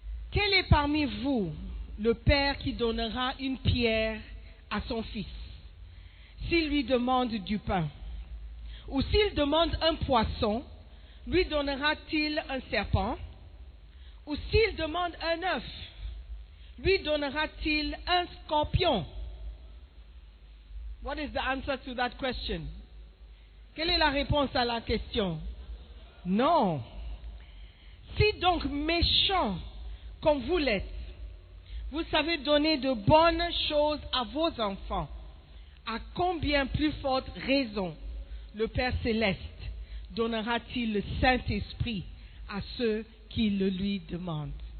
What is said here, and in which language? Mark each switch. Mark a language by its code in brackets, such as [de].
[fr] Quel est parmi vous le père qui donnera une pierre à son fils s'il lui demande du pain? Ou s'il demande un poisson, lui donnera-t-il un serpent? Ou s'il demande un œuf, lui donnera-t-il un scorpion? [en] What is the answer to that question? [fr] Quelle est la réponse à la question? Non. Si donc méchant comme vous l'êtes, vous savez donner de bonnes choses à vos enfants, à combien plus forte raison le Père Céleste donnera-t-il le Saint-Esprit à ceux qui le lui demandent?